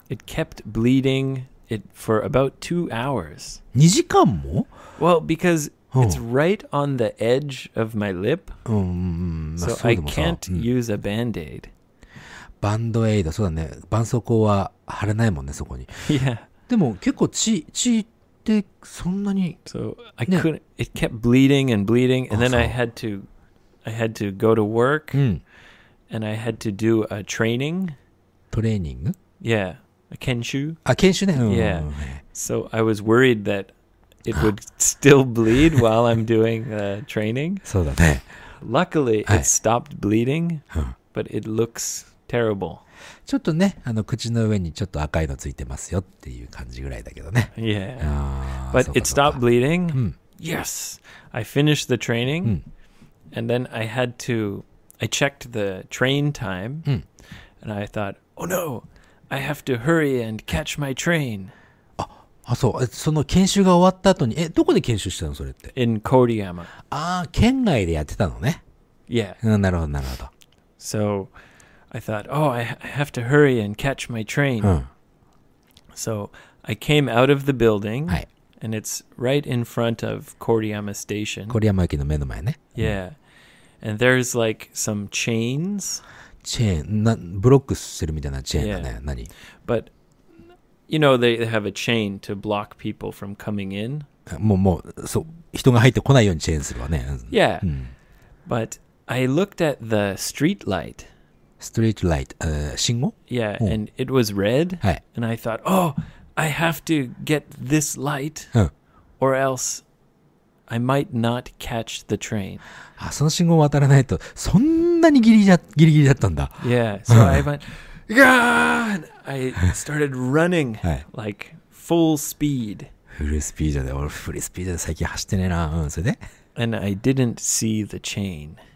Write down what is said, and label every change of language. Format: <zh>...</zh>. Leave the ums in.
<en>It kept bleeding it for about two hours. 2 hours Well, because oh. it's right on the edge of my lip. Um, so, so I can't um. use a band aid.</en> <ja>バンドエイド、そうだね。絆創膏は貼れないもんね、そこに。 <</ja> <en>Yeah.</en> <ja>S 1> でも結構血、血ってそんなに。</ja> <en>So, I couldn't,、ね、it kept bleeding and bleeding, and then I had to I had to go to work and I had to do a training. Training? Yeah. A kenshu. A kenshu? Yeah. So I was worried that it would still bleed while I'm doing the training. So that. Luckily it stopped bleeding, but it looks terrible.</en> <ja>ちょっとね、あの口の上にちょっと赤いのついてますよっていう感じぐらいだけどね。</ja> <en>Yeah. But it stopped bleeding. Yes. I finished the training and then I had to I checked the train time hmm. and I thought, oh no, I have to hurry and catch my train.</en> <ja>Yeah. あ、そう。その研修が終わった後に、え、どこで研修したのそれって。</ja> <en>in Kodiyama.</en> <ja>ああ、県外でやってたのね。</ja> <en>Yeah.</en> <ja>うん、なるほど、なるほど。</ja> <en>So, I thought, oh, I have to hurry and catch my train.、うん、so, I came out of the building.</en> <ja>はい。</ja> <en>And it's right in front of Kodiyama Station. Kodiyama</en> <ja>駅の目の前ね。</ja> <en>Yeah.、うん and there's like some chains. Chain. Yeah.</en> <ja>何?</ja> <en>But you know they have a chain to block people from coming in.</en> <ja>もう、もう、</ja> <en>yeah. But I looked at the street light. Street light. Uh 信号? Yeah, oh. and it was red. And I thought, oh, I have to get this light or else I might not catch the train.</en> <ja>あ、その信号を渡らないと、そんなにギリギリ,ギリだったんだ。</ja> <en>Yeah, so I went, God! I started running、はい、like full speed.</en> <ja>フルスピードで、俺フルスピードで最近走ってねえな。うん、それで。</ja> <en>And I didn't see the chain.</en>